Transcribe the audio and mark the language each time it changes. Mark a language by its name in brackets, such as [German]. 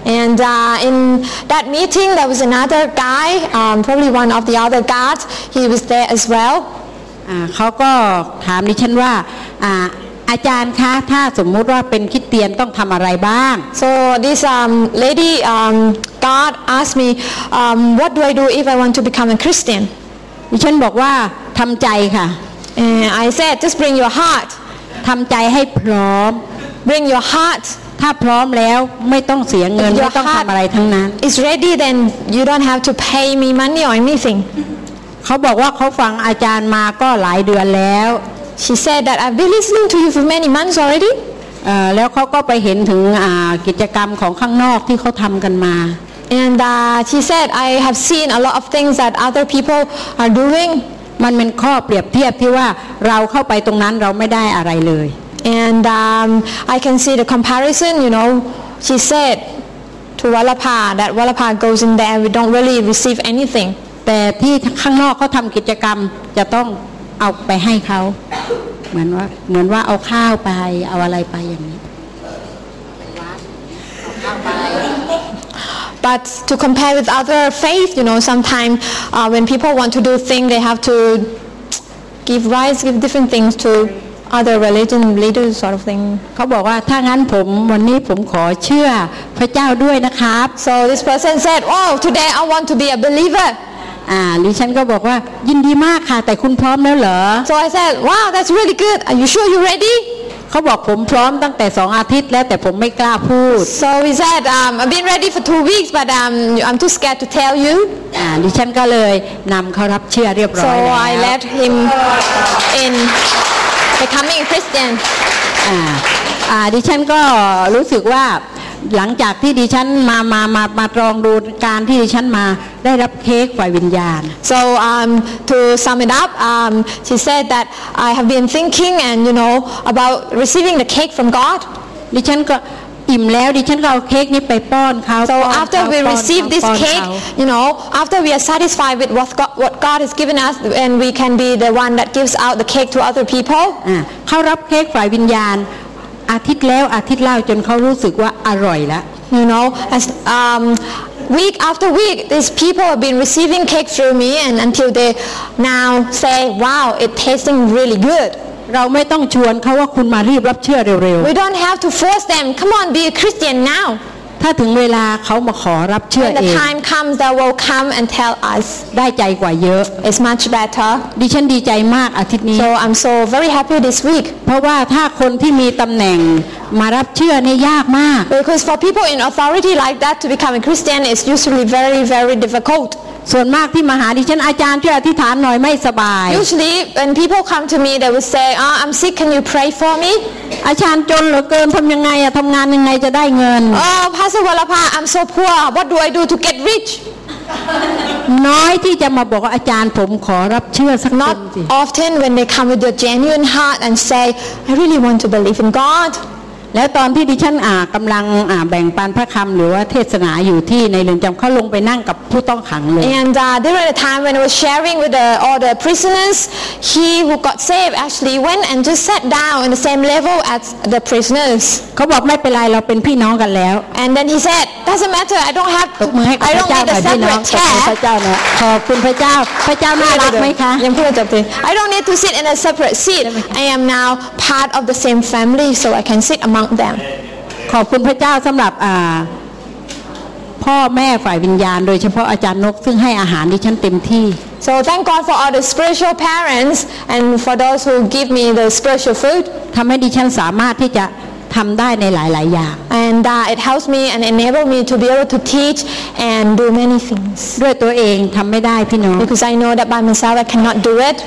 [English] And in that meeting there was another guy probably one of the other guards he was there as well [Thai] เขาก็ถามดิฉันว่าอาจารย์คะถ้าสมมุติว่าเป็นคริสเตียนต้องทำอะไรบ้าง [English] So this lady God asked me what do I do if I want to become a Christian [Thai] ดิฉันบอกว่าทำใจค่ะ [English] I said just bring your heart [Thai] ทำใจให้พร้อม [English] Bring your heart [Thai] ถ้าพร้อมแล้วไม่ต้องเสียเงินไม่ต้องทำอะไรทั้งนั้น [English] It's ready then you don't have to pay me money or anything [Thai] เขาบอกว่าเขาฟังอาจารย์มาก็หลายเดือนแล้ว [English] She said that I've been listening to you for many months already [Thai] แล้วเขาก็ไปเห็นถึงกิจกรรมของข้างนอกที่เขาทำกันมา [English] And she said I have seen a lot of things that other people are doing [Thai] มันเป็นข้อเปรียบเทียบที่ว่าเราเข้าไปตรงนั้นเราไม่ได้อะไรเลย [English] And I can see the comparison you know she said to Wallapa that Wallapa goes in there we don't really receive anything [Thai] แต่ที่ข้างนอกเขาทำกิจกรรมจะต้องเอาไปให้เขาเหมือนว่าเอาข้าวไปเอาอะไรไปอย่างนี้ [English] But to compare with other faith you know sometimes when people want to do things they have to give rice give different things to other religion leaders sort of thing [Thai] เขาบอกว่าถ้างั้นผมวันนี้ผมขอเชื่อพระเจ้าด้วยนะครับ [English] So this person said oh today I want to be a believer [Thai] ดิฉันก็บอกว่ายินดีมากค่ะแต่คุณพร้อมแล้วเหรอ [English] So I said wow that's really good are you sure you're ready [Thai] เขาบอกผมพร้อมตั้งแต่2อาทิตย์แล้วแต่ผมไม่กล้าพูด [English] So he said I've been ready for 2 weeks but I'm too scared to tell you [Thai] ดิฉันก็เลยนำเขารับเชื่อเรียบร้อยแล้ ว [English] So I let him in becoming a Christian [Thai] ดิฉันก็รู้สึกว่าหลังจากที่ดิฉันมาลองดูการที่ดิฉันมาได้รับเค้กฝ่ายวิญญาณ [English] So to sum it up she said that I have been thinking and you know about receiving the cake from God [Thai] ดิฉันก็อิ่มแล้วดิฉันก็เอาเค้กนี้ไปป้อนเขา [English] So after we receive this cake you know after we are satisfied with what God has given us and we can be the one that gives out the cake to other people [Thai] เขารับเค้กฝ่ายวิญญาณอาทิตย์แล้วอาทิตย์เล่าจนเขารู้สึกว่าอร่อยละ [English] You know as week after week these people have been receiving cake through me and until they now say wow it tasting really good [Thai] เราไม่ต้องชวนเขาว่าคุณมารีบรับเชื่อเร็วๆ [English] We don't have to force them come on be a Christian now เ [Thai] ถ้าถึงเวลาเขามาขอรับเชื่อเอง [English] When the time comes they will come and tell us [Thai] ได้ใจกว่าเยอะ [English] It's much better [Thai] ดิฉันดีใจมากอาทิตย์นี้ [English] So I'm so very happy this week [Thai] เพราะว่าถ้าคนที่มีตำแหน่งมารับเชื่อเนี่ยยากมาก [English] Because for people in authority like that to become a Christian is usually very very difficult [Thai] ส่วนมากที่มาหาดิฉันอาจารย์ช่วยอธิษฐานหน่อยไม่สบาย [English] Usually when people come to me they would say oh, I'm sick can you pray for me [Thai] อาจารย์จนเหลือเกินทำยังไงอะทำงานยังไงจะได้เงิน [English] Oh Pastor Walapa I'm so poor what do I do to get rich [Thai] น้อยที่จะมาบอกอาจารย์ผมขอรับเชื่อสักคน [English] Not often when they come with a genuine heart and say I really want to believe in God [Thai] แล้วตอนที่ดิฉันกำลังแบ่งปันพระคำหรือว่าเทศนาอยู่ที่ในเรือนจำเขาลงไปนั่งกับผู้ต้องขังเลย [English] And there was a time when I was sharing with all the prisoners he who got saved actually went and just sat down on the same level as the prisoners [Thai] เขาบอกไม่เป็นไรเราเป็นพี่น้องกันแล้ว [English] And then he said doesn't matter I don't have to I don't need a separate chair [Thai] ขอบคุณพระเจ้าพระเจ้าน่ารักไหมคะ ยังพูดจบไป [English] I don't need to sit in a separate seat I am now part of the same family so I can sit among [Thai] ขอบคุณพระเจ้าสำหรับพ่อแม่ฝ่ายวิญญาณโดยเฉพาะอาจารย์นกซึ่งให้อาหารดิฉันเต็มที่ [English] So thank God for all the spiritual parents and for those who give me the spiritual food [Thai] ทำให้ดิฉันสามารถที่จะทำได้ในหลายๆอย่าง [English] And it helps me and enable me to be able to teach and do many things [Thai] ด้วยตัวเองทำไม่ได้พี่น้อง [English] Because I know that by myself I cannot do it